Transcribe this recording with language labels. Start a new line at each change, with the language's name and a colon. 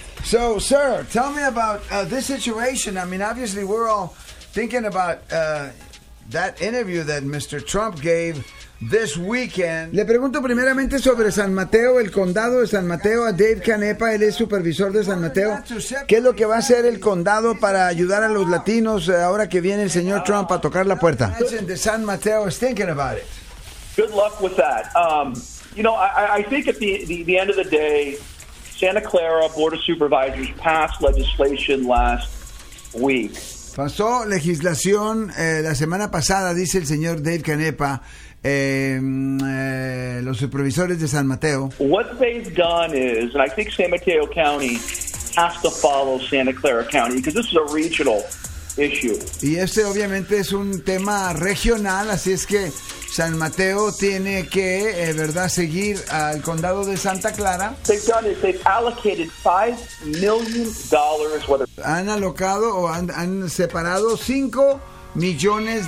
English: So, sir, tell me about this situation. I mean, obviously, we're all thinking about that interview that Mr. Trump gave this weekend.
Spanish: Le pregunto primeramente sobre San Mateo, el condado de San Mateo, a Dave Canepa, él es supervisor de San Mateo. ¿Qué es lo que va a hacer el condado para ayudar a los latinos ahora que viene el señor Trump a tocar la puerta?
English: San Mateo is thinking about it. Good luck with that. I think at the end of the day, Santa Clara Board of Supervisors passed legislation last week.
Spanish: Pasó legislación la semana pasada, dice el señor Dave Canepa, los supervisores de San Mateo.
English: What they've done is, and I think San Mateo County has to follow Santa Clara County because this is a regional issue.
Spanish: Y este obviamente es un tema regional, así es que San Mateo tiene que, ¿verdad?, seguir al condado de Santa Clara.
English: They've done is they've allocated $5 million, whether
Spanish: han alocado o han separado $5 millones.